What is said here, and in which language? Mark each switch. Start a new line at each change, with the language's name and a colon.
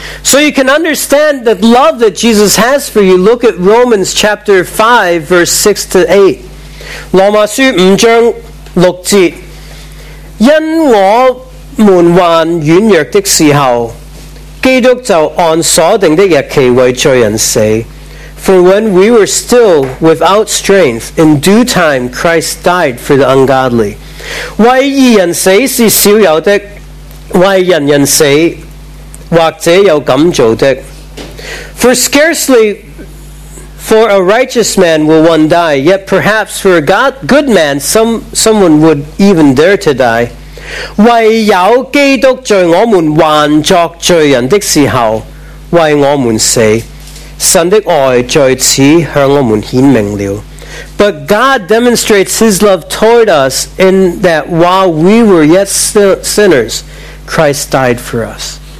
English: So you can understand the love that Jesus has for you, look at Romans chapter 5, verse 6 to 8.
Chinese: 罗马书五章六节。因我们还软弱的时候，基督就按所定的日期为罪人死。
English: For when we were still without strength, in due time Christ died for the ungodly.
Chinese: 为义人死是少有的，为人人死或者有敢做的。
English: For scarcely for a righteous man will one die, yet perhaps for a good man someone would even dare to die.
Chinese: 唯有基督在我们还作罪人的时候为我们死，神的爱在此向我们显明了。
English: But God demonstrates his love toward us in that while we were yet sinners, Christ died for us.